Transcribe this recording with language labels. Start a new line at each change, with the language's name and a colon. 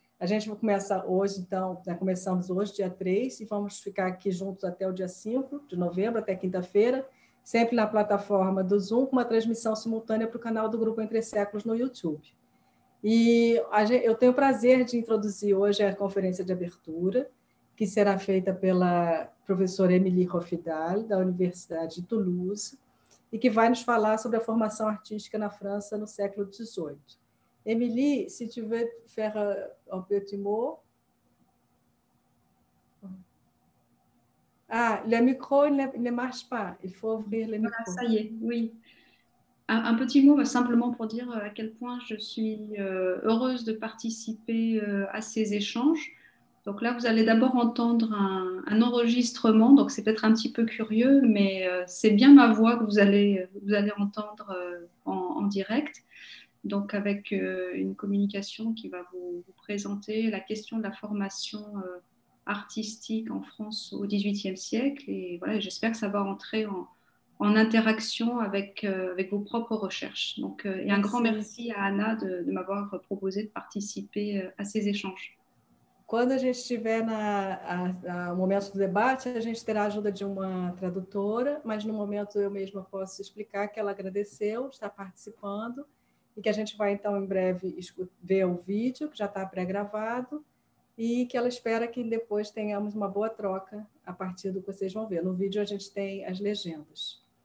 Portuguese: A gente começa hoje, então, já começamos hoje, dia 3, e vamos ficar aqui juntos até o dia 5 de novembro, até quinta-feira, sempre na plataforma do Zoom, com uma transmissão simultânea para o canal do Grupo Entre Séculos no YouTube. E eu tenho o prazer de introduzir hoje a conferência de abertura, que será feita pela professora Emilie Hofdahl, da Universidade de Toulouse, e que vai nos falar sobre a formação artística na França no século XVIII.
French: Emilie, si tu veux faire un petit mot? Ah, le micro ne marche pas, il faut ouvrir le micro. Voilà, ça y est, oui. Un petit mot, simplement pour dire à quel point je suis heureuse de participer à ces échanges. Donc là, vous allez d'abord entendre un enregistrement, donc c'est peut-être un petit peu curieux, mais c'est bien ma voix que vous allez entendre en direct. Donc avec une communication qui va vous présenter la question de la formation artistique en France au XVIIIe siècle. Et voilà, j'espère que ça va entrer en interaction avec vos propres recherches. Donc, et un grand Merci. merci à Anna de m'avoir proposé de participer à ces échanges.
Portuguese: Quando a gente estiver no momento do debate, a gente terá a ajuda de uma tradutora, mas no momento eu mesma posso explicar que ela agradeceu, está participando, e que a gente vai então em breve ver o vídeo, que já está pré-gravado, e que ela espera que depois tenhamos uma boa troca a partir do que vocês vão ver. No vídeo a gente tem as legendas.